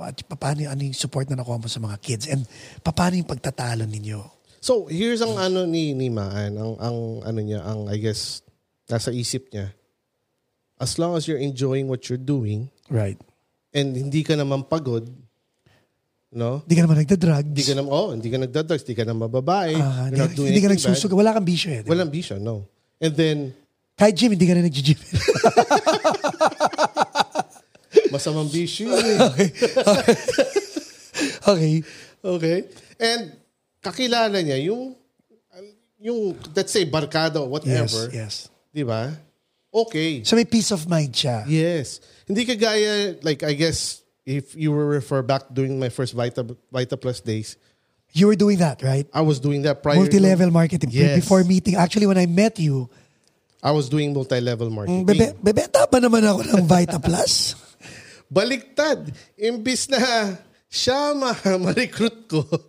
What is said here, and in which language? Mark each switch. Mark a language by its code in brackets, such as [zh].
[tl] At paano ano yung support na nakuha mo sa mga kids? And paano yung pagtatalo ninyo? [en] So, here's [tl] ang ano ni Maan. Ang ano niya, ang [en] I guess, [tl] nasa isip niya. [en] As long as you're enjoying what you're doing, right, and [tl] hindi ka naman pagod, no? Hindi ka naman nagda-drugs. Hindi ka naman, hindi ka nagda-drugs, hindi ka naman mababae. Hindi ka nagsusuga. Wala kang bisyo eh. Walang bisyo, no. And then, kahit gym, hindi ka rin nag-gym. Masamang bisyo. [en] Okay. [tl] And, kakilala niya yung [en] let's say [tl] barkada [en] or whatever. Yes. [tl] Di ba? Okay. So may [en] peace of mind [tl] siya. [en] Yes. [tl] Hindi kagaya, [en] like I guess if you were refer back during my first Vita Plus days. You were doing that, right? I was doing that prior. Multi-level marketing. Yes. Before meeting. Actually, when I met you. I was doing multi-level marketing. [tl] Bebenta ba naman ako ng Vita Plus? Baliktad. Imbis na siya ma-recruit ko.